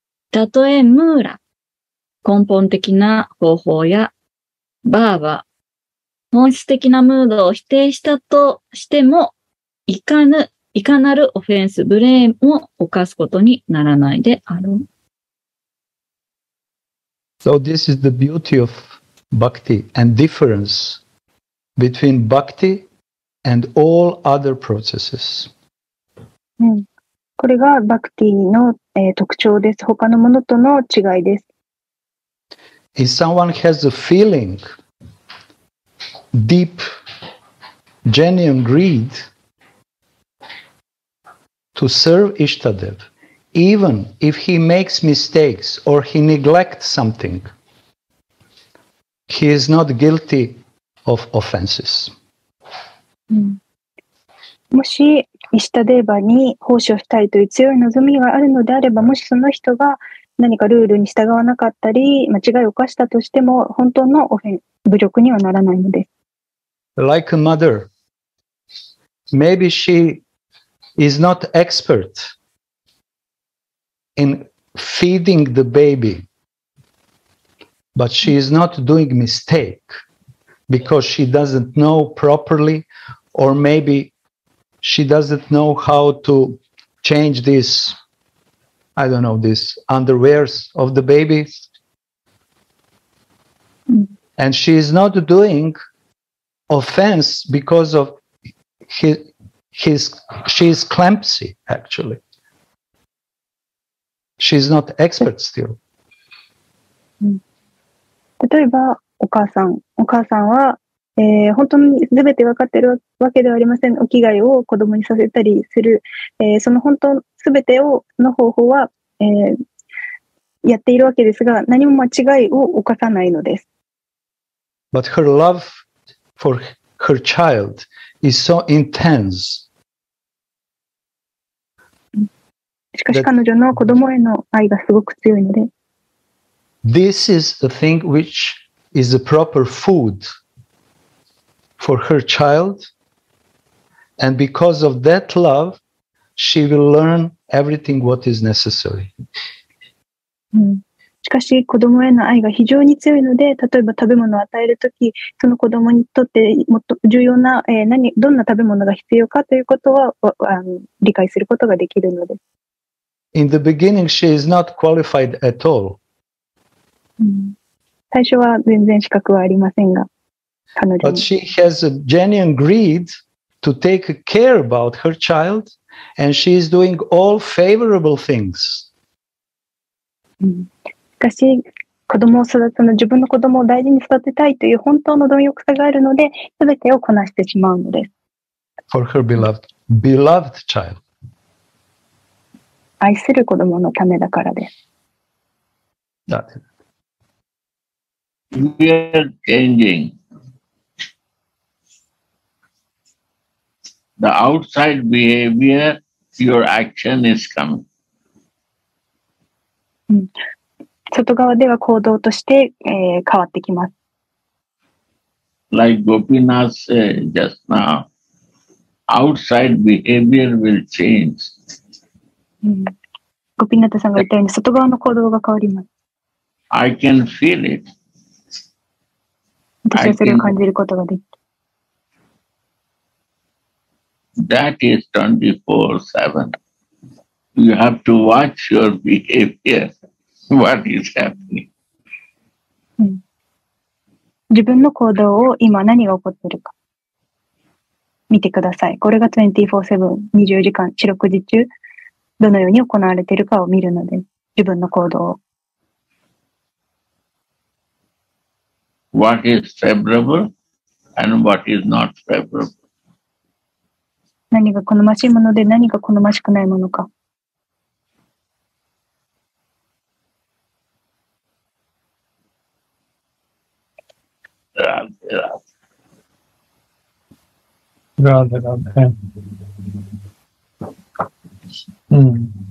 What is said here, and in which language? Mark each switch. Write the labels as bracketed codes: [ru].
[ja] たとえムーラ、根本的な方法や、バーバ、本質的なムードを否定したとしても、いかなるオフェンス、ブレーンを犯すことにならないであろう。 [en] So this is the beauty of bhakti and difference between bhaktiand all other processes. [ja] これがバクティの特徴です。他のものとの違いです。 [en] If someone has a feeling, deep, genuine greed to serve Ishtadev, even if he makes mistakes or he neglects something, he is not guilty of offenses. [ja] もしイシュタデーバに奉仕をしたいという強い望みがあるのであれば、もしその人が何かルールに従わなかったり間違いを犯したとしても、本当の侮辱にはならないのです。 [en] Like a mother, maybe she is not expert in feeding the baby, but she is not doing mistake because she doesn't know properlyOr maybe she doesn't know how to change this, I don't know, this underwears of the baby. And she is not doing offense because of she is clumsy, actually. She is not expert still. [ja] 例えばお母さん。お母さんは本当に全て分かっているわけではありません。お危害を子供にさせたりする、その本当全ての方法は、やっているわけですが、何も間違いを犯さないのです。 [en] But her love for her child is so intense. [ja] しかし彼女の子供への愛がすごく強いので。 [en] This is the thing which is the proper food for her child. And because of that love, she will learn everything what is necessary. [ja] しかし子供への愛が非常に強いので、例えば食べ物を与えるとき、その子供にとってもっと重要な、どんな食べ物が必要かということは理解することができるので。 [en] In the beginning, she is not qualified at all. [ja] 最初は全然資格はありませんが、彼女に。 [en] But she has a genuine greed to take care about her child, and she is doing all favorable things. [ja] しかし子供を育てたの自分の子供を大事に育てたいという本当の貪欲さがあるので、全てをこなしてしまうのです。 [en] For her beloved, beloved child. [ja] 愛する子供のためだからです。 [en] We are changing the outside behavior, your action is coming. [ja] 外側では行動として、変わってきます。 [en] Like Gopinath said just now, outside behavior will change. [ja] Gopinath さんが言ったように、外側の行動が変わります。 [en] I can feel it. [ja] 私はそれを感じることができる。 [en] That is 24/7. You have to watch your behavior. What is happening? [ja] 自分の行動を今何が起こっているか見てください。これが 24/7、24時間、四六時中、どのように行われているかを見るので、自分の行動を。 [en] What is favorable and what is not favorable? [ja] 何が好ましいもので、何が好ましくないものか。 [en] Radha, Radha.